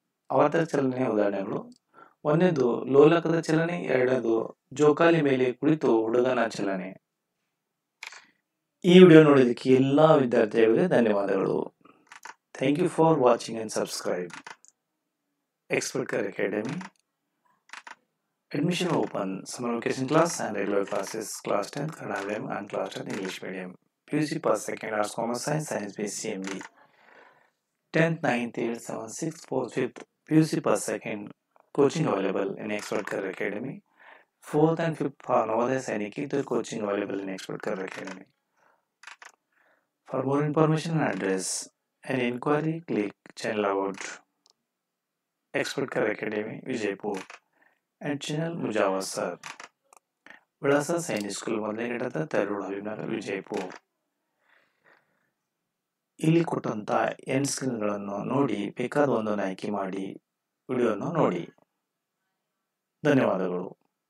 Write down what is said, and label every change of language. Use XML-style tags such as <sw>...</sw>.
<kn>ಆವರ್ತಕ ಚಲನೆಯ ಉದಾಹರಣೆಗಳು ಒಂದೇದು ಲೋಲಕದ ಚಲನೆ, ಎರಡನೇದು ಜೋಕಾಲಿ ಮೇಲೆ ಕುಳಿತು ಹುಡುಗನ ಚಲನೆ. ಈ ವಿಡಿಯೋ ನೋಡಿದ್ದಕ್ಕೆ ಎಲ್ಲ ವಿದ್ಯಾರ್ಥಿಗಳಿಗೆ ಧನ್ಯವಾದಗಳು.</kn> <en>Thank you for watching and subscribe expert career academy. Admission open, summer vacation class and regular classes, class 10, Kannada and class 10, English medium, PUC plus second arts, commerce, science, science based CMD, 10th, 9th, 8th, 7th, 6th, 4th, 5th, PUC plus second, coaching available in Expert Career Academy, 4th and 5th, Navodaya Sainik, coaching available in Expert Career Academy. For more information and address and inquiry, click channel about Expert Career Academy, Vijayapur.</en> <kn>And ಚಿನಲ್ Mujawar sir, ವಿಳಾಸ Sainik school ಒಂದನೇ ಗಡದ ತರುಳ ಹಬೀಬ್ ನಗರ ವಿಜಯಪುರ್. ಇಲ್ಲಿ ಕೊಟ್ಟಂಥ end ಸ್ಕ್ರೀನ್ಗಳನ್ನು ನೋಡಿ ಬೇಕಾದ ಒಂದನ್ನು ಆಯ್ಕೆ ಮಾಡಿ ವಿಡಿಯೋನ ನೋಡಿ. ಧನ್ಯವಾದಗಳು.</kn>